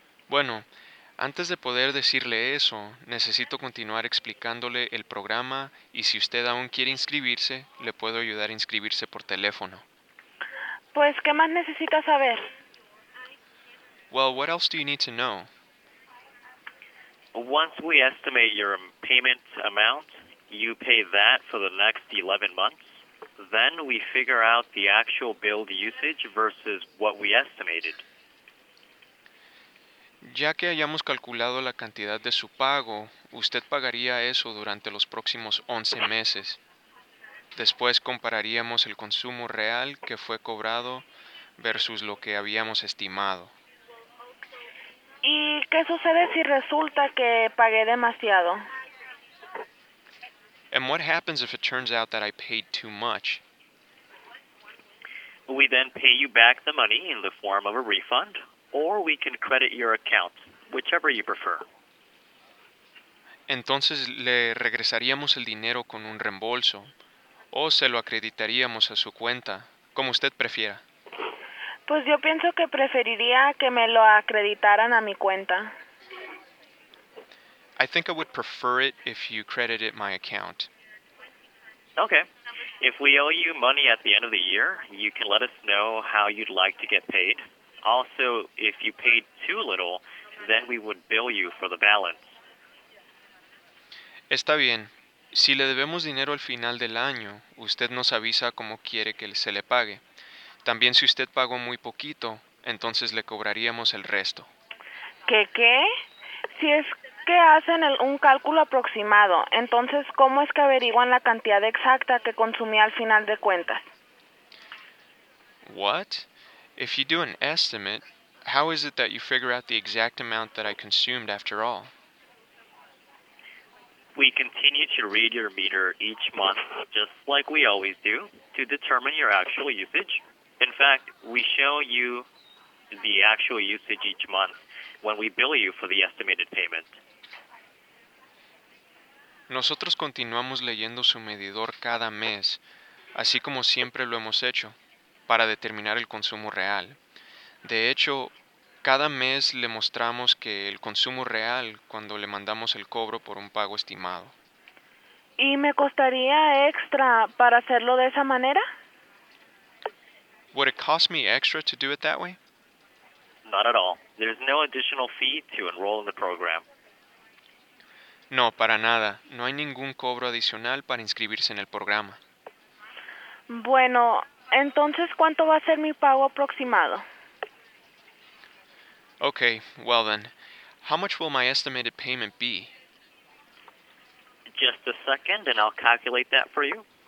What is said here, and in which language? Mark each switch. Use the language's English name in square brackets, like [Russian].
[Spanish] Bueno, antes de poder decirle eso, necesito continuar explicándole el programa, y si usted aún quiere inscribirse, le puedo ayudar a inscribirse por teléfono. Pues, ¿qué más necesita saber? [English] Well, what else do you need to know? Once we estimate your payment amount, you pay that for the next 11 months. Then we figure out the actual bill usage versus what we estimated. [Spanish] Ya que hayamos calculado la cantidad de su pago, usted pagaría eso durante los próximos 11 meses. Después compararíamos el consumo real que fue cobrado versus lo que habíamos estimado. ¿Y qué sucede si resulta que pagué demasiado? [English] And what happens if it turns out that I paid too much? We then pay you back the money in the form of a refund, or we can credit your account, whichever you prefer. [Spanish] Entonces le regresaríamos el dinero con un reembolso, o se lo acreditaríamos a su cuenta, como usted prefiera. Pues yo pienso que preferiría que me lo acreditaran a mi cuenta. [English] I think I would prefer it if you credited my account. Okay. If we owe you money at the end of the year, you can let us know how you'd like to get paid. Also, if you paid too little, then we would bill you for the balance. [Spanish] Está bien. Si le debemos dinero al final del año, usted nos avisa cómo quiere que se le pague. También si usted pagó muy poquito, entonces le cobraríamos el resto. ¿Qué qué? Si es que hacen un cálculo aproximado. Entonces, ¿cómo es que averiguan la cantidad exacta que consumí al final de cuentas? [English] What? If you do an estimate, how is it that you figure out the exact amount that I consumed after all? We continue to read your meter each month, just like we always do, to determine your actual usage. In fact, we show you the actual usage each month when we bill you for the estimated payment. [Spanish] Nosotros continuamos leyendo su medidor cada mes, así como siempre lo hemos hecho, para determinar el consumo real. De hecho, cada mes le mostramos que el consumo real cuando le mandamos el cobro por un pago estimado. ¿Y me costaría extra para hacerlo de esa manera? [English] Would it cost me extra to do it that way? Not at all. There's no additional fee to enroll in the program. [Spanish] No, para nada. No hay ningún cobro adicional para inscribirse en el programa. Bueno, entonces, ¿cuánto va a ser mi pago aproximado? [English] Okay, well then, how much will my estimated payment be? Just a second, and I'll calculate that for you.